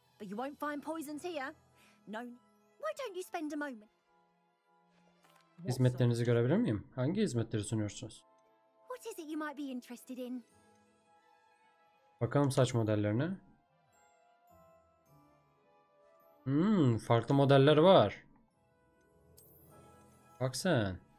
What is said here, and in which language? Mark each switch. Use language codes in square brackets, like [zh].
[en] But you won't find poisons here. No. Why don't you spend a moment? [tr] Hizmetlerinizi görebilir miyim? Hangi hizmetleri sunuyorsunuz? [en] What is it you might be interested in? [tr] Bakalım saç modellerine. Farklı modeller var. Bak sen.